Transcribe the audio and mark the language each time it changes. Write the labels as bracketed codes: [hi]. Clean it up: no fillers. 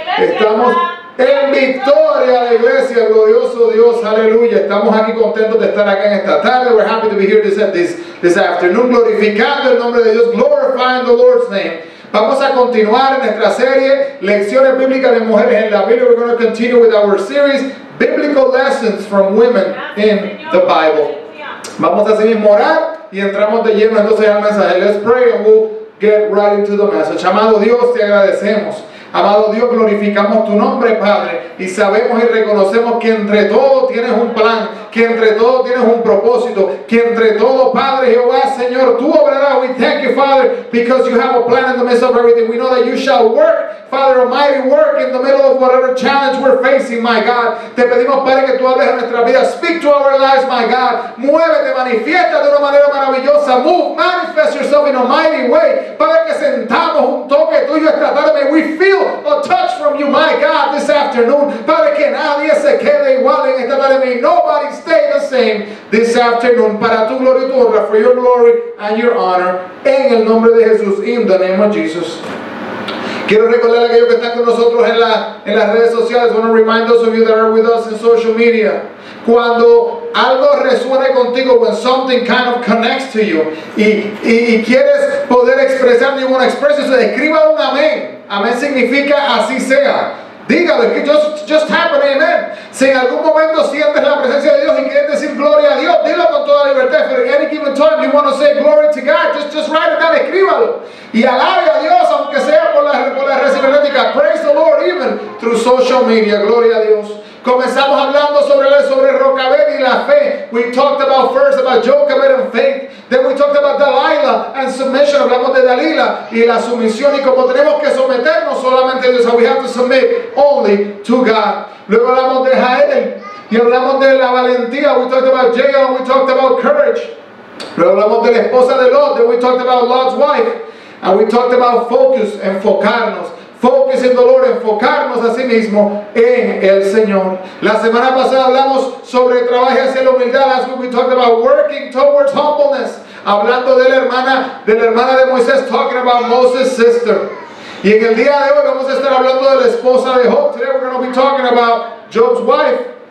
[es] Estamos en victoria, la iglesia. Glorioso Dios, aleluya. Estamos aquí contentos de estar acá en esta tarde. [en] We're happy to be here this afternoon. [es] Glorificando el nombre de Dios. [en] Glorifying the Lord's name. [es] Vamos a continuar en nuestra serie Lecciones Bíblicas de Mujeres en la Biblia. [en] We're going to continue with our series Biblical Lessons from Women in the Bible. [es] Vamos a seguir orar y entramos de lleno entonces al mensaje. [en] Let's pray and we'll get right into the message. [es] Amado Dios, te agradecemos. Amado Dios, glorificamos tu nombre, Padre, y sabemos y reconocemos que entre todo tienes un plan, que entre todo tienes un propósito, que entre todo, Padre Jehová, Señor, tú obrarás. [en] We thank you, Father, because you have a plan in the midst of everything. We know that you shall work, Father Almighty, work in the middle of whatever challenge we're facing, my God. [es] Te pedimos, Padre, que tú hables a nuestra vida. [en] Speak to our lives, my God. [es] Muévete, manifiesta de una manera maravillosa. [en] Move, manifest yourself in a mighty way. [es] Padre, que sentamos un toque tuyo esta tarde. [en] May we feel a touch from you, my God, this afternoon. [es] Padre, que nadie se quede igual en esta tarde. [en] May nobody stay the same this afternoon. [es] Para tu gloria y tu honra, [en] for your glory and your honor. [es] En el nombre de Jesús, [en] in the name of Jesus. [es] Quiero recordar a aquellos que están con nosotros en las redes sociales. [en] I want to remind those of you that are with us in social media. [es] Cuando algo resuene contigo, [en] when something kind of connects to you, [es] y quieres poder expresar, [en] you want to express yourself, [es] escriba un amén. Amén significa así sea. Dígalo, [en] just happen, amen. [es] Si en algún momento sientes la presencia de Dios y quieres decir gloria a Dios, dilo con toda libertad. [en] But at any given time you want to say glory to God, just write it down, [es] escríbalo. Y alabe a Dios, aunque sea por la red cibernética. [en] Praise the Lord, even through social media. [es] Gloria a Dios. Comenzamos hablando sobre Rocabel y la fe. [en] We talked about first about Jochebed and faith. Then we talked about Dalila and submission. [es] Hablamos de Dalila y la sumisión y cómo tenemos que someternos solamente a Dios. [en] We have to submit only to God. [es] Luego hablamos de Jael y hablamos de la valentía. [en] We talked about Jael and we talked about courage. [es] Luego hablamos de la esposa de Lot. [en] Then we talked about Lot's wife. And we talked about focus, [es] enfocarnos. Focus en dolor, enfocarnos a sí mismo en el Señor. La semana pasada hablamos sobre trabajar hacia la humildad. [en] Last week we talked about working towards humbleness. [es] Hablando de la hermana de Moisés, [en] talking about Moses' sister. [es] Y en el día de hoy vamos a estar hablando de la esposa de Job. [en] Today we're going to be talking about Job's wife.